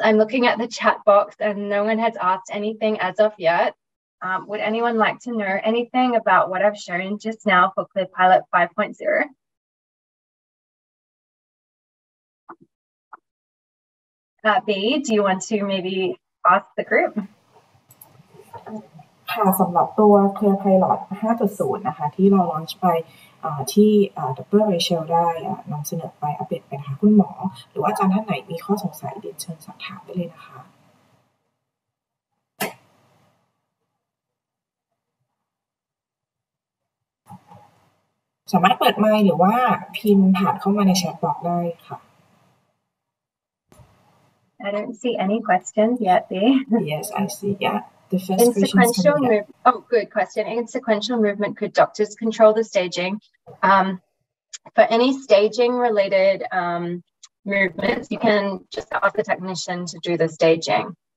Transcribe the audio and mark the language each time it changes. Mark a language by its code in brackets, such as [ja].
[en] I'm looking at the chat box and no one has asked anything as of yet. Would anyone like to know anything about what I've shown just now for ClearPilot 5.0? B, do you want to maybe ask the group? [th] ค่ะสำหรับตัว ClearPilot 5.0 นะคะที่เรา launch ไปที่ดร. Rachel ได้นำเสนอไปอัปเดตไปหาคุณหมอหรืออาจารย์ท่านไหนมีข้อสงสัยเรียนเชิญสอบถามได้เลยนะคะสามารถเปิดไมค์หรือว่าพิมพ์ผ่านเข้ามาในแชทบล็อกได้ค่ะ [en] I don't see any questions yet, B. Yes, I see. Yeah, the first question. Good question. In sequential movement, could doctors control the staging? For any staging-related movements, you can just ask the technician to do the staging.